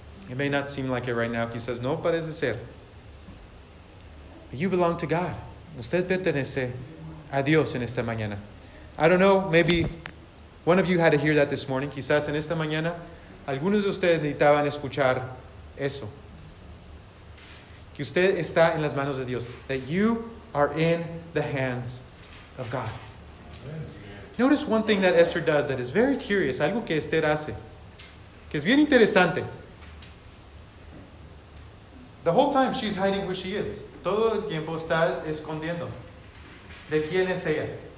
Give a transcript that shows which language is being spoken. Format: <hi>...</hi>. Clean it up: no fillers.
<en>It may not seem like it right now.</en> <es>Quizás no parece ser.</es> <en>You belong to God.</en> <es>Usted pertenece a Dios en esta mañana.</es> <en>I don't know. Maybe one of you had to hear that this morning.</en> <es>Quizás en esta mañana, algunos de ustedes necesitaban escuchar eso. Que Que usted está en las manos de Dios.</es> <en>That you are in the hands of God. Notice one thing that Esther does that is very curious.</en> <es>Algo que Esther hace. Que es bien interesante.</es> <en>The whole time she's hiding who she is.</en> <es>Todo el tiempo está escondiendo. ¿De quién es ella?</es>